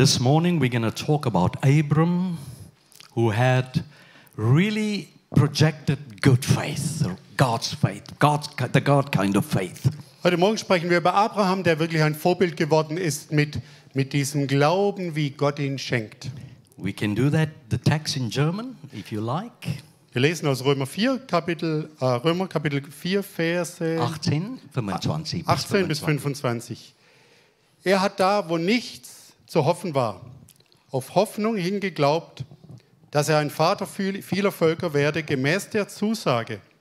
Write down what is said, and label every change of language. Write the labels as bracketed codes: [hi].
[en] This morning we're going to talk about Abram, who had really projected good faith, God's faith, God's, the God kind of faith. [de] Heute Morgen sprechen wir über Abraham, der wirklich ein Vorbild geworden ist mit diesem Glauben, wie Gott ihn schenkt. [en] We can do that, the text in German, if you like. [de] Wir lesen aus Römer Kapitel 4, Verse 18 bis 25. Er hat da, wo nichts zu hoffen war, auf Hoffnung hingeglaubt, dass er ein Vater vieler Völker werde, gemäß der Zusage.